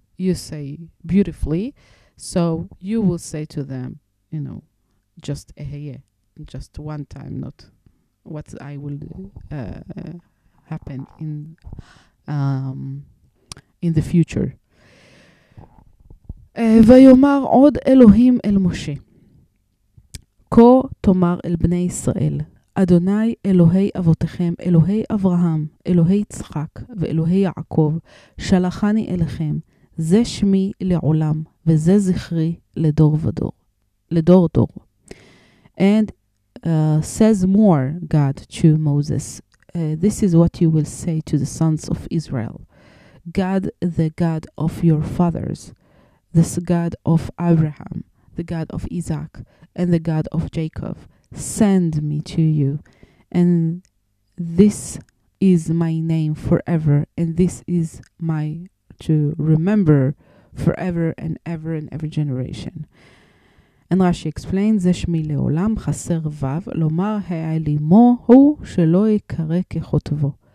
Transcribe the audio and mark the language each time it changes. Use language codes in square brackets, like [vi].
[en] you say beautifully, so you will say to them, you know, just eheyeh, just one time, not what I will happen in the future. [he] ויאמר עוד אלוהים אל משה, כה תאמר אל בני ישראל, אדוני אלוהי אבותיכם, אלוהי אברהם, אלוהי יצחק ואלוהי יעקב, שלחני אליכם, זה שמי לעולם, וזה זכרי לדור ודור, לדור דור. [en] And says more God to Moses, this is what you will say to the sons of Israel, God, the God of your fathers, this God of Abraham, the God of Isaac, and the God of Jacob, send me to you, and this is my name forever, and this is my to remember forever and ever and every generation. And Rashi explains, [he] זה שמי לעולם חסר וב, לומר העלימו הוא שלא יקרא כחוטבו.